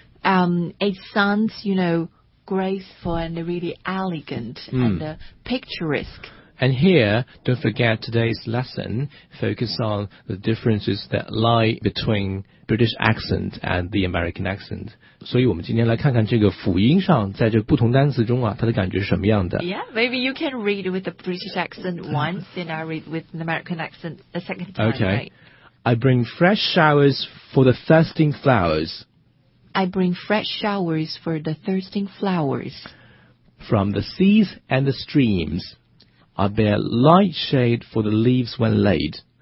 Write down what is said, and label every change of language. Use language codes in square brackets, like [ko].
[en] it sounds, you know, graceful and really elegant and picturesque. And here, don't forget today's lesson, focus on the differences that lie between British accent and the American accent. [zh] 所以我们今天来看看这个辅音上在这不同单词中啊它的感觉是什么样的。 [en] Yeah, maybe you can read with the British accent once and I read with an American accent a second time. Okay. Right? I bring fresh showers for the thirsting flowers. I bring fresh showers for the thirsting flowers. From the seas and the streams, I bear light shade for the leaves when laid.